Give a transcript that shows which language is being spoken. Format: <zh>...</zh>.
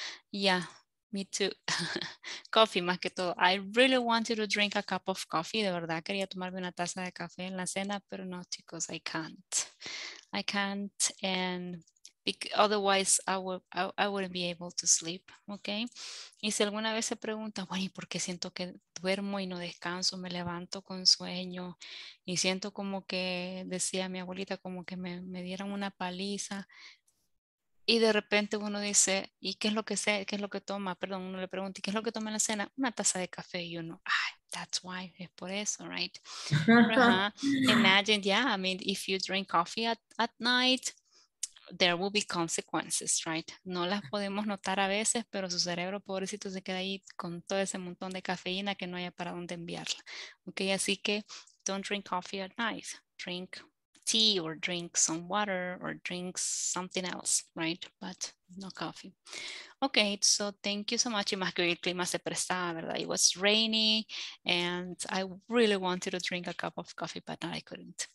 <en>Yeah, me too. Coffee,</en> <es>más que todo.</es> <en>I really wanted to drink a cup of coffee.</en> <es>De verdad, quería tomarme una taza de café en la cena, pero no, chicos,</es> <en>I can't. I can't, and... otherwise I wouldn't be able to sleep, okay?</en> <es>Y si alguna vez se pregunta, bueno, ¿y por qué siento que duermo y no descanso? Me levanto con sueño y siento como que, decía mi abuelita, como que me dieran una paliza. Y de repente uno dice, ¿y qué es lo que sé? ¿Qué es lo que toma? Perdón, uno le pregunta, ¿y qué es lo que toma en la cena? Una taza de café. Y uno, ah,</es> <en>that's why,</en> <es>es por eso,</es> <en>right? Imagine, yeah, I mean, if you drink coffee at night, there will be consequences, right?</en> <es>No las podemos notar a veces, pero su cerebro pobrecito se queda ahí con todo ese montón de cafeína que no haya para dónde enviarla.</es> <en>Okay,</en> <es>así que</es> <en>don't drink coffee at night. Drink tea or drink some water or drink something else, right? But no coffee. Okay, so thank you so much.</en> <es>Y más que hoy el clima se prestaba, ¿verdad?</es> <en>It was rainy and I really wanted to drink a cup of coffee, but I couldn't.</en>